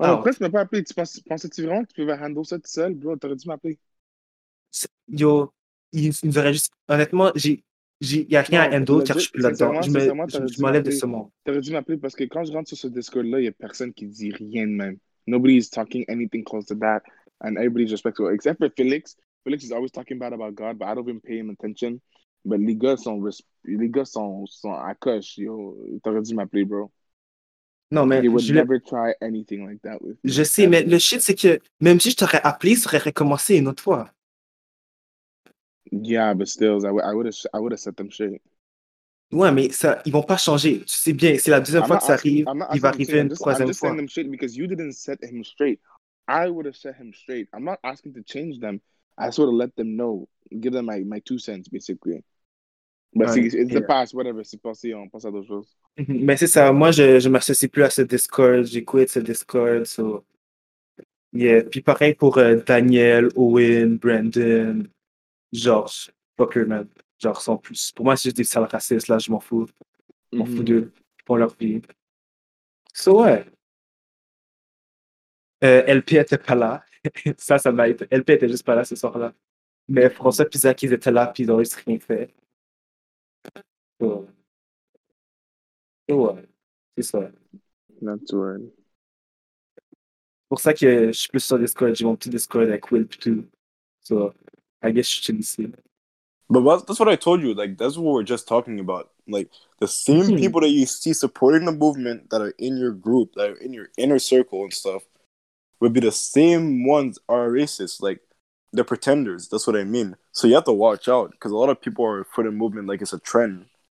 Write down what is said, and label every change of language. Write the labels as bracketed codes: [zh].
[fr] Pourquoi tu m'as pas appelé? Pensais-tu vraiment que tu pouvais handle ça tout seul? Bro, t'aurais dû m'appeler. Yo, il nous aurait juste... Honnêtement, il n'y a rien à handle car je suis plus là-dedans. Je m'enlève de ce monde. T'aurais dû m'appeler parce que quand je rentre sur ce Discord-là, il n'y a personne qui dit rien de même. [en] Nobody is talking anything close to that. And everybody's respectful. Except for Felix. Felix is always talking bad about God, but I don't even pay him attention. [fr] But les gars sont à coche. Yo, t'aurais dû m'appeler, bro. Non, mais... [en] He would never try anything like that with [fr] me. Je sais, mais le shit, c'est que même si je t'aurais appelé, ça aurait recommencé une autre fois. [en] Yeah, but still, I would have said them shit. [fr] Ouais, mais ça, ils vont pas changer. Tu sais bien, c'est la deuxième fois que ça arrive, il va arriver une troisième fois. [en] I'm just saying them shit because you didn't set him straight. I would have set him straight. I'm not asking to change them. I just would have let them know, give them my two cents, basically. But it's the past, whatever. [fr] C'est passé, on passe à d'autres choses. Mais c'est ça. Moi, je m'associe plus à ce Discord. J'ai quit ce Discord. [en] So yeah. [fr] Puis pareil pour Daniel, Owen, Brandon. George, [en] fucker, man. [fr] Genre, sans plus. Pour moi, c'est juste des sales racistes, là, je m'en fous. Je m'en fous d'eux. Pour leur vie. So, ouais. LP était pas là. ça m'a été. LP était juste pas là ce soir-là. Mais François et Zach, ils étaient là, puis ils n'ont rien fait. So, ouais. C'est ça. [en] Not too early. [fr] C'est pour ça que je suis plus sur Discord. J'ai mon petit Discord avec Will, puis tout. [en] So, I guess you shouldn't see it. But that's what I told you. Like, that's what we're just talking about. Like, the same people that you see supporting the movement that are in your group, that are in your inner circle and stuff, would be the same ones are racist. Like, they're pretenders. That's what I mean. So you have to watch out, because a lot of people are for the movement like it's a trend.